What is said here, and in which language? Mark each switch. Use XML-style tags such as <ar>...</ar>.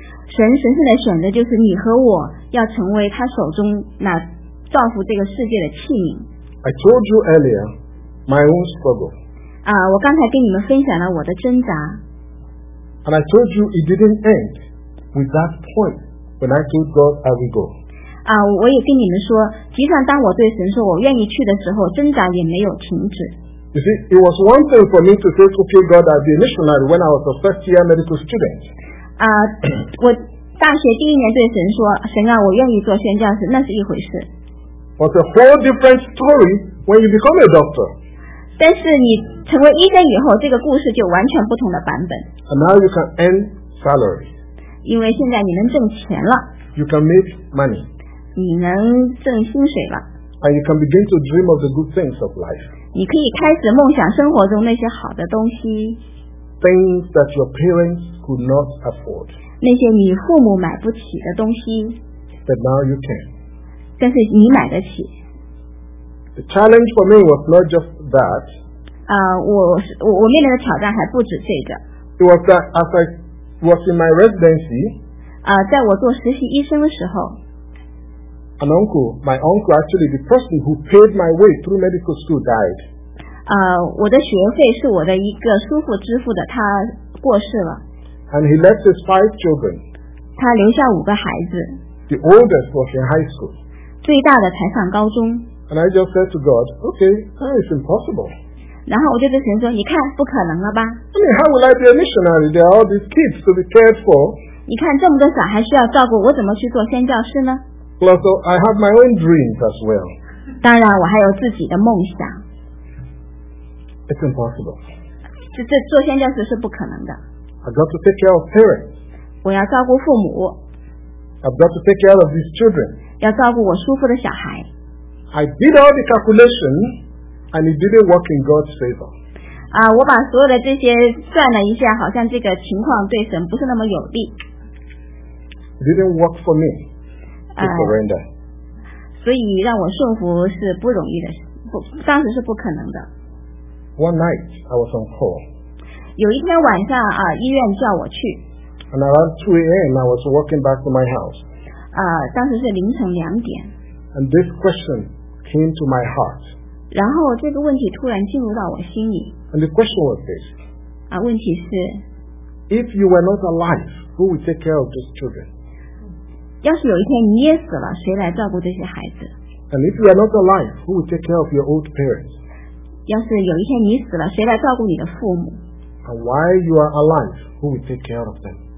<zh>神圣的选择就是你和我要成为他手中那造福这个世界的器皿。</zh> <en>I told you earlier my own struggle.</en> <zh>啊，我刚才跟你们分享了我的挣扎。</zh> <en>And I told you it didn't end. With that point, when I told God I will go.</en> <zh>啊，我也跟你们说，实际上当我对神说我愿意去的时候，挣扎也没有停止。</zh> <en>You see, it was one thing for me to say, "Okay, God, I'll be a missionary." When I was a first-year medical student.</en> <zh>啊，我大学第一年对神说，神啊，我愿意做宣教士，那是一回事。</zh> <en>But a whole different story when you become a doctor.</en> <zh>但是你成为医生以后，这个故事就完全不同的版本。</zh> <en>And now you can earn salary.</en> <zh>因为现在你能挣钱了</zh> <en>you can make money.</en> <zh>你能挣薪水了</zh> <en>and you can begin to dream of the good things of life.</en> <zh>你可以开始梦想生活中那些好的东西</zh> <en>things that your parents could not afford.</en> <zh>那些你父母买不起的东西</zh> <en>but now you can.</en> <zh>但是你买得起</zh> <en>the challenge for me was not just that.</en> <zh>我面临的挑战还不止这个</zh> <en>it was that as I was in my residency,</en> <zh>在我做实习医生的时候</zh> <en>an uncle, my uncle actually, the person who paid my way through medical school died.</en> <zh>我的学费是我的一个叔父支付的，他过世了。</zh> <en>And he left his 5 children.</en> <zh>他留下5个孩子。</zh> <en>The oldest was in high school.</en> <zh>最大的才上高中。</zh> <en>And I just said to God, okay, that is impossible.</en> <zh>然后我就对神说，你看，不可能了吧。</zh> <en>I mean, how will I be a missionary? There are all these kids to be cared for.</en> <zh>你看这么多小孩需要照顾，我怎么去做宣教师呢？</zh> <en>Plus, I have my own dreams as well.</en> <zh>当然我还有自己的梦想。</zh> <en>It's impossible.</en> <zh>这做宣教师是不可能的。</zh> <en>I've got to take care of parents.</en> <zh>我要照顾父母。</zh> <en>I've got to take care of these children.</en> <zh>要照顾我叔父的小孩。</zh> <en>I did all the calculations, and it didn't work in God's favor.</en> <zh>我把所有的这些算了一下，好像这个情况对神不是那么有利。</zh> <en>It didn't work for me to surrender.</en> <zh>所以让我顺服是不容易的，当时是不可能的。</zh> <en>One night, I was on call.</en> <zh>有一天晚上啊，医院叫我去。</zh> <en>And around 2 a.m., I was walking back to my house.</en> <zh>当时是凌晨两点。</zh> <en>And this question came to my heart.</en> <zh>然后这个问题突然进入到我心里。</zh> <en>And the question was this.</en> <zh>问题是。</zh> <en>If you were not alive, who would take care of those children?</en> <zh>要是有一天你也死了，谁来照顾这些孩子？</zh> <en>And if you are not alive, who would take care of your old parents?</en> <zh>要是有一天你死了，谁来照顾你的父母？</zh> <en>And while you are alive, who will take care of them?</en>